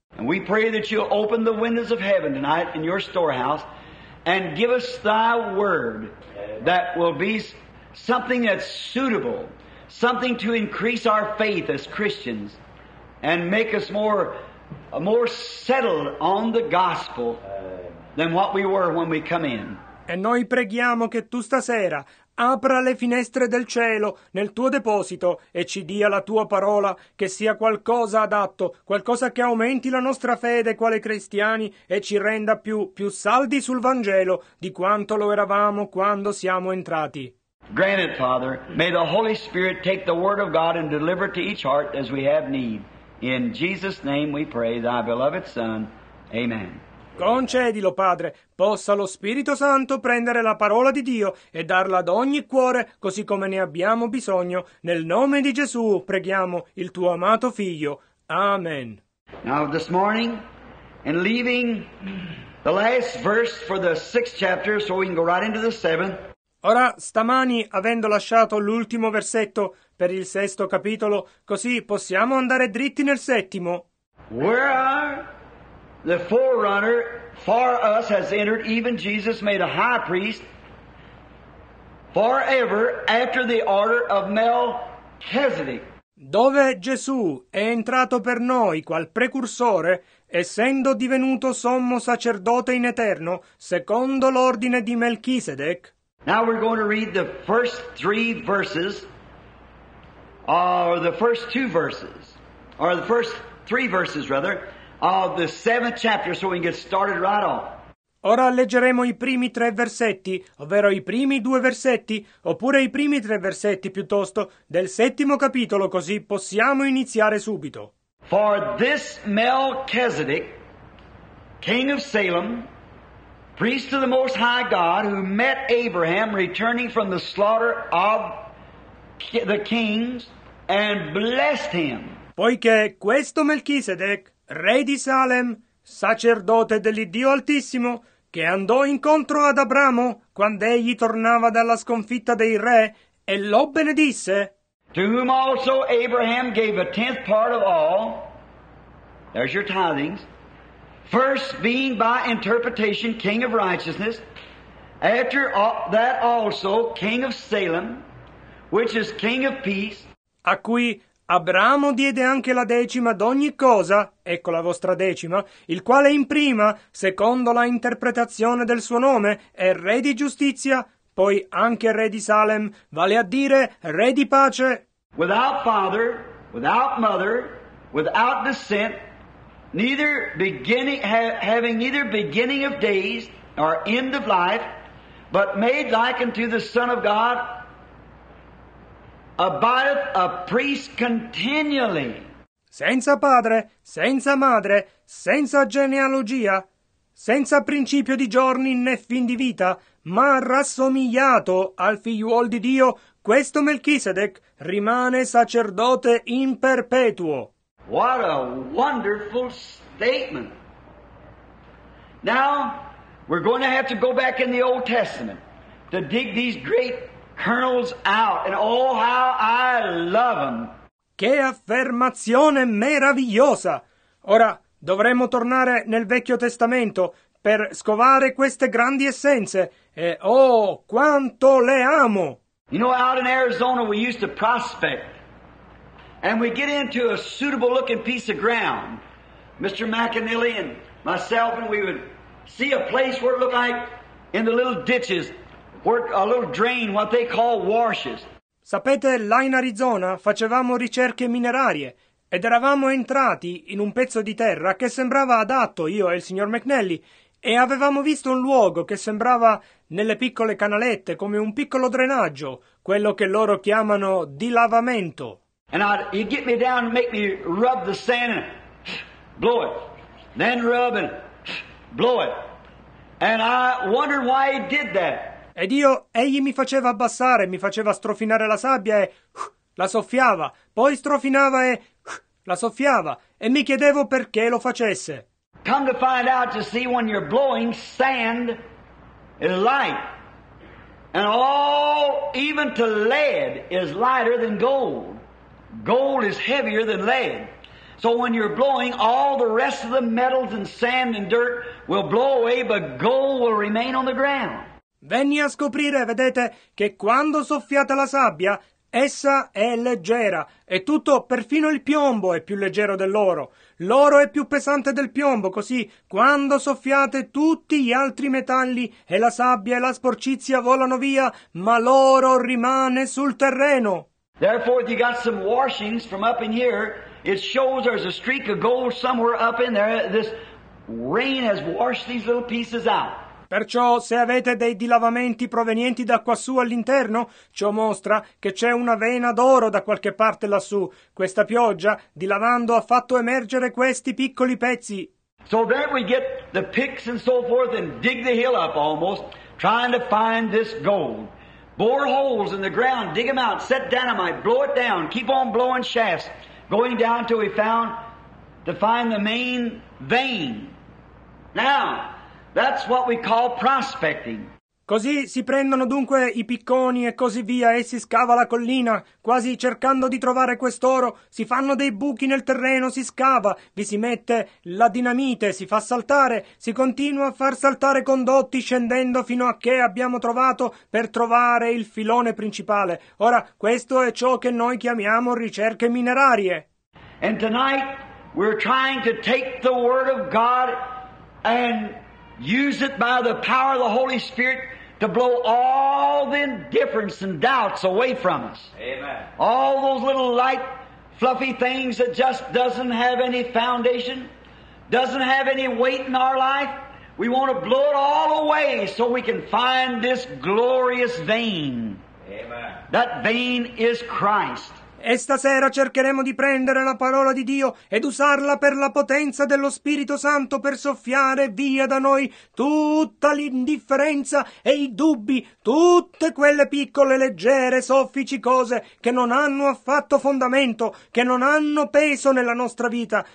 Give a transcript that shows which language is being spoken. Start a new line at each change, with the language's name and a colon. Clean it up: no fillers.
English: And we pray that you open the windows of heaven tonight in your storehouse, and give us thy word that will be something that's suitable, something to increase our faith as Christians and make us more settled on the gospel than what we were when we come in.
Italian: E noi preghiamo che tu stasera apra le finestre del cielo nel tuo deposito e ci dia la tua parola che sia qualcosa adatto, qualcosa che aumenti la nostra fede quale cristiani e ci renda più saldi sul Vangelo di quanto lo eravamo quando siamo entrati.
English: Grant it, Father. May the Holy Spirit take the Word of God and deliver it to each heart as we have need. In Jesus' name we pray, thy beloved Son. Amen.
Italian: Concedilo, Padre, possa lo Spirito Santo prendere la parola di Dio e darla ad ogni cuore così come ne abbiamo bisogno. Nel nome di Gesù preghiamo il tuo amato Figlio. Amen.
English: Now this morning, and leaving the last verse for the sixth chapter, so we can go right into the seventh.
Italian: Ora, stamani, avendo lasciato l'ultimo versetto per il sesto capitolo, così possiamo andare dritti nel settimo.
English: Where are the forerunner for us has entered, even Jesus made a high priest forever after the order of Melchizedek.
Italian: Dove Gesù è entrato per noi qual precursore, essendo divenuto sommo sacerdote in eterno, secondo l'ordine di Melchisedec.
English: Now we're going to read the first three verses, or the first two verses, or the first three verses rather, of the seventh chapter, so we can get started right on.
Italian: Ora leggeremo i primi tre versetti, ovvero i primi due versetti, oppure i primi tre versetti piuttosto, del settimo capitolo, così possiamo iniziare subito.
English: For this Melchizedek, king of Salem, priest of the Most High God, who met Abraham returning from the slaughter of the kings, and blessed him.
Italian: Poiché questo Melchizedek, re di Salem, sacerdote dell'Iddio Altissimo, che andò incontro ad Abramo quando egli tornava dalla sconfitta dei re e lo benedisse.
English: To whom also Abraham gave a tenth part of all, there's your tithings, first being by interpretation king of righteousness, after that also king of Salem, which is king of peace.
Italian: A cui Abramo diede anche la decima d'ogni cosa, ecco la vostra decima, il quale in prima, secondo la interpretazione del suo nome, è re di giustizia, poi anche re di Salem, vale a dire re di pace.
English: Without father, without mother, without descent, neither beginning, having neither beginning of days nor end of life, but made like unto the Son of God, abideth a priest continually.
Italian: Senza padre, senza madre, senza genealogia, senza principio di giorni né fin di vita, ma rassomigliato al figliuol di Dio, questo Melchisedec rimane sacerdote in perpetuo.
English: What a wonderful statement. Now, we're going to have to go back in the Old Testament to dig these great kernels out, and oh, how I love them.
Italian: Che affermazione meravigliosa! Ora dovremmo tornare nel Vecchio Testamento per scovare queste grandi essenze, e oh, quanto le amo!
English: You know, out in Arizona we used to prospect, and we get into a suitable looking piece of ground, Mr. McAnally and myself, and we would see a place where it looked like in the little ditches, a little drain, what they call washes.
Italian: Sapete, là in Arizona facevamo ricerche minerarie ed eravamo entrati in un pezzo di terra che sembrava adatto, io e il signor McNally, e avevamo visto un luogo che sembrava nelle piccole canalette come un piccolo drenaggio, quello che loro chiamano dilavamento.
English: And he'd get me down and make me rub the sand and blow it, then rub and blow it, and I wondered why he did that.
Italian: Ed io, egli mi faceva abbassare, mi faceva strofinare la sabbia e la soffiava, poi strofinava e la soffiava, e mi chiedevo perché lo facesse.
English: Come to find out, you see, when you're blowing sand is light, and all, even to lead, is lighter than gold. Gold is heavier than lead. So when you're blowing, all the rest of the metals and sand and dirt will blow away, but gold will remain on the ground.
Italian: Venni a scoprire, vedete, che quando soffiate la sabbia, essa è leggera, e tutto, perfino il piombo, è più leggero dell'oro. L'oro è più pesante del piombo, così, quando soffiate tutti gli altri metalli e la sabbia e la sporcizia volano via, ma l'oro rimane sul terreno.
English: Therefore, if you got some washings from up in here, it shows there's a streak of gold somewhere up in there. This rain has washed these little pieces out.
Italian: Perciò, se avete dei dilavamenti provenienti da quassù all'interno, ciò mostra che c'è una vena d'oro da qualche parte lassù. Questa pioggia, dilavando, ha fatto emergere questi piccoli pezzi.
English: So then we get the picks and so forth and dig the hill up almost, trying to find this gold. Bore holes in the ground, dig them out, set dynamite, blow it down, keep on blowing shafts, going down till we found to find the main vein. Now, that's what we call prospecting.
Italian: Così si prendono dunque i picconi e così via, e si scava la collina, quasi cercando di trovare quest'oro, si fanno dei buchi nel terreno, si scava, vi si mette la dinamite, si fa saltare, si continua a far saltare condotti, scendendo fino a che abbiamo trovato per trovare il filone principale. Ora, questo è ciò che noi chiamiamo ricerche minerarie.
English: And tonight we're trying to take the word of God and use it by the power of the Holy Spirit to blow all the indifference and doubts away from us. Amen. All those little light, fluffy things that just doesn't have any foundation, doesn't have any weight in our life, we want to blow it all away so we can find this glorious vein. Amen. That vein is Christ.
Italian: E stasera cercheremo di prendere la parola di Dio ed usarla per la potenza dello Spirito Santo per soffiare via da noi tutta l'indifferenza e i dubbi, tutte quelle piccole, leggere, soffici cose che non hanno affatto fondamento, che non hanno peso nella nostra vita.